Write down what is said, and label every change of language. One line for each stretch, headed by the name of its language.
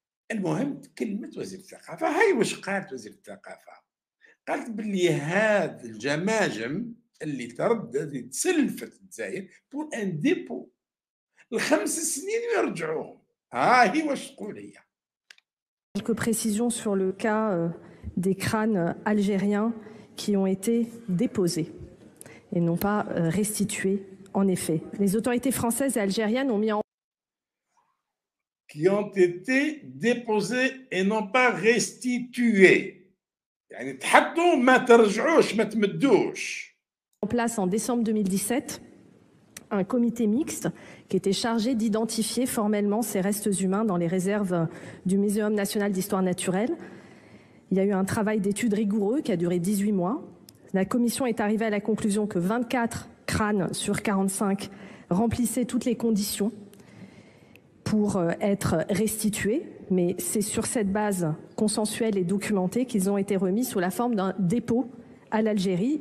Arabic: المهم تكلمت وزير الثقافة، هاي واش قالت وزير الثقافة، قالت بلي هاد الجماجم اللي تردت تسلفت الجزائر
French: بور ان ديبو
Arabic: الخمس سنين يرجعوهم، هاي واش تقول هي.
French: Quelques précisions sur le cas des crânes algériens qui ont été déposés et non pas restitués. En effet, les autorités françaises et algériennes ont mis en qui ont été déposés et non pas restitués.
Arabic: يعني تحطوا ما ترجعوش ما تمدوش.
French: En place en décembre 2017, un comité mixte qui était chargé d'identifier formellement ces restes humains dans les réserves du Muséum national d'histoire naturelle. Il y a eu un travail d'étude rigoureux qui a duré 18 mois. La commission est arrivée à la conclusion que 24 crânes sur 45 remplissaient toutes les conditions pour être restitués, mais c'est sur cette base consensuelle et documentée qu'ils ont été remis sous la forme d'un dépôt à l'Algérie.